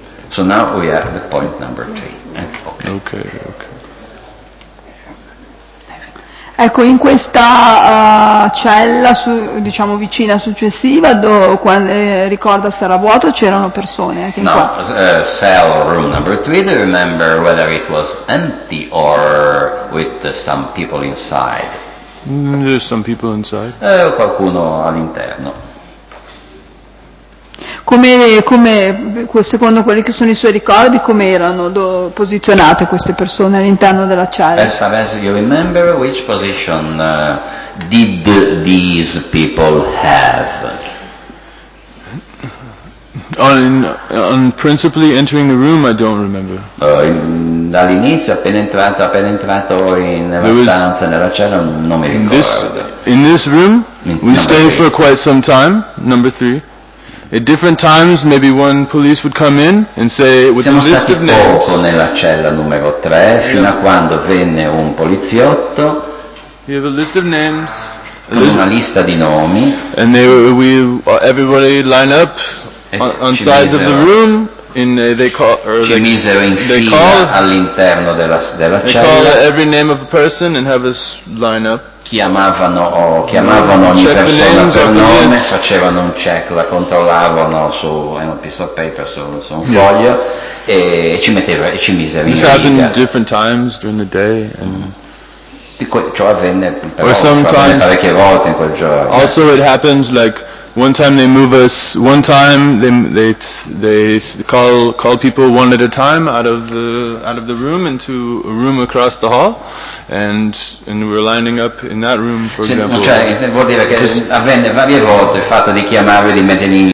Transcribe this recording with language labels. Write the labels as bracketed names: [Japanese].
[English] So now we have the point number 3. Okay. [Italian] Ecco, in questa cella, diciamo vicina successiva, ricorda se era vuoto, c'erano persone anche qua. [English] Cell room number 3, do you remember whether it was empty or with some people inside? There's some people inside. [Italian] Qualcuno all'interno. Come secondo quelli che sono i suoi ricordi, come erano posizionate queste persone all'interno della cella? [English] As far as you remember, which position did these people have? On principally entering the room, I don't remember. [Italian] Dall'inizio, appena entrato nella cella, non mi ricordo. [English] In this room, we stayed for quite some time, number 3. At different times, maybe one police would come in and say, with [Italian] siamo [English] a list of names. [Italian] Siamo stati poco nella cella numero 3, fino a quando venne un poliziotto. [English] You have a list of names. [Italian] Una lista di nomi. [English] And everybody lined up on sides of the room. [Italian] Ci misero in fila all'interno della cella. [English] They call every name of a person and have us line up. [Italian] Chiamavano ogni persona per nome, facevano un check, la controllavano su un [English] piece of paper, [Italian] su un foglio, e ci misero in fila. [English] This happened different times during the day. And [Italian] ciò avvenne però, [English] sometimes, [Italian] parecchie volte in quel giorno. [English] Also it happens like one time they move us, one time they call people one at a time out of the room into a room across the hall, and we're lining up in that room, for example. [Italian] Cioè, vuol dire che avvenne varie volte il fatto di chiamarli, di mettere in